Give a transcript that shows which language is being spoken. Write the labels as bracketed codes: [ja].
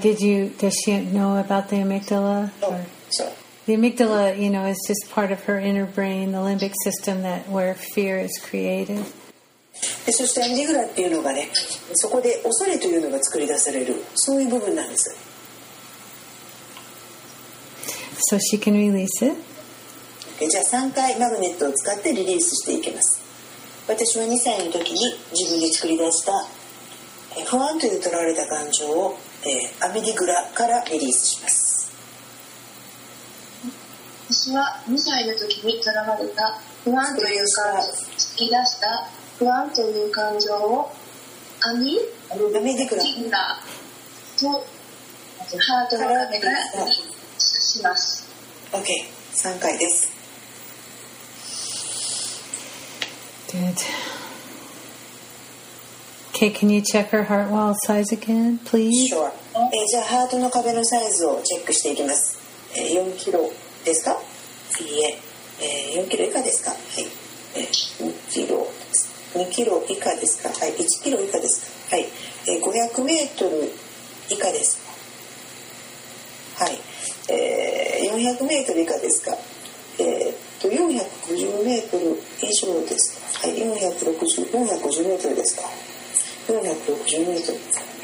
[en] Does she know about the amygdala? No. So. The amygdala, you know, is just part of her inner brain, the limbic system that where fear is created. [ja] でそしてアミグダラっていうのがね、そこで恐れというのが作り出されるそういう部分なんです。 [en] So she can release it. [ja] じゃあ3回マグネットを使ってリリースしていきます。私は2歳の時に自分で作り出した不安という囚われた感情をアミグダラからリリースします。私は2歳の時に囚われた不安というか作り出した不安という感情をアミグダラとハートの壁からします。 OK、3回です。 [en] Good. Okay, can you check her heart wall size again, please? Sure. [ja] じゃあハートの壁のサイズをチェックしていきます。4キロですか？いいえ。4キロ以下ですか？はい。4キロです。 2キロ以下ですか、はい、1キロ以下ですか、はい、500メートル以下ですか、はい、400メートル以下ですか、450メートル以上ですか、はい、450メートルですか、460メートルです。